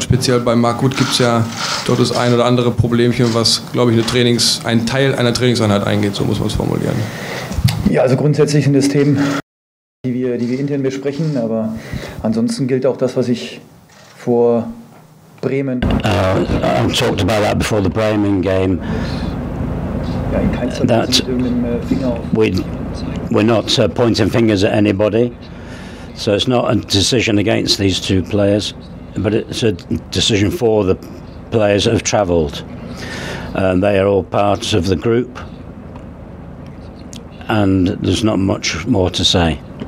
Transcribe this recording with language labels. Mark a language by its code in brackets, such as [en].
[de] Speziell bei Margut gibt es ja dort das ein oder andere Problemchen, was, glaube ich, ein Teil einer Trainingseinheit eingeht, so muss man es formulieren. Ja, also grundsätzlich sind das Themen, die wir intern besprechen, aber ansonsten gilt auch das, was ich vor Bremen. [en] I talked about that before the Bremen game. [de] Ja, in keinster Weise mit irgendeinem Finger auf. [en] We're not pointing fingers at anybody, so it's not a decision against these two players, but it's a decision for the players that have travelled. They are all part of the group, and there's not much more to say.